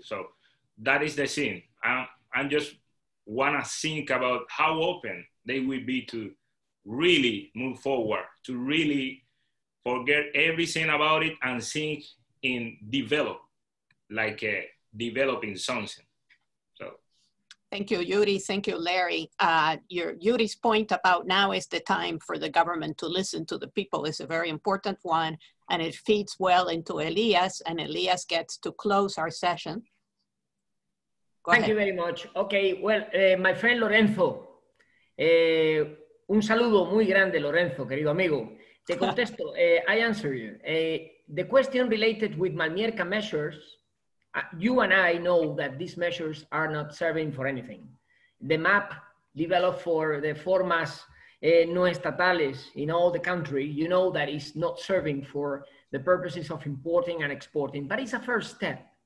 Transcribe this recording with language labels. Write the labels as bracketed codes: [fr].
[en] So that is the scene. I'm just wanna think about how open they will be to really move forward, to really forget everything about it and think in develop, like developing something. So. Thank you, Yuri. Thank you, Larry. Yuri's point about now is the time for the government to listen to the people is a very important one, and it feeds well into Elias, and Elias gets to close our session. Thank you very much. Okay, well, my friend [es] Lorenzo, un saludo muy grande, Lorenzo, querido amigo. Te contesto, [en] I answer you. The question related with Malmierka measures, you and I know that these measures are not serving for anything. The map developed for the formas no estatales in all the country, you know that it's not serving for the purposes of importing and exporting, but it's a first step.